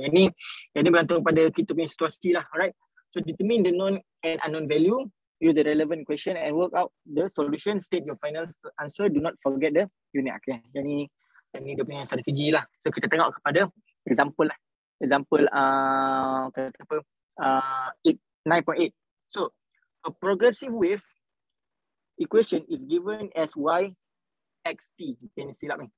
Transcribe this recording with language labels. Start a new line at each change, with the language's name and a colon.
Malay: Yang ni, yang ni bergantung pada kita punya situasi lah.
English: Alright. So determine the known and unknown value. Use the relevant equation and work out the solution. State your final answer. Do not forget the unit. Okay.
Malay: Yang ni, yang ni dia punya strategi lah. So kita tengok kepada example lah. Example, kata apa, 9.8.
English: So a progressive wave equation is given as y x t. Okay,
Malay: ni silap ni.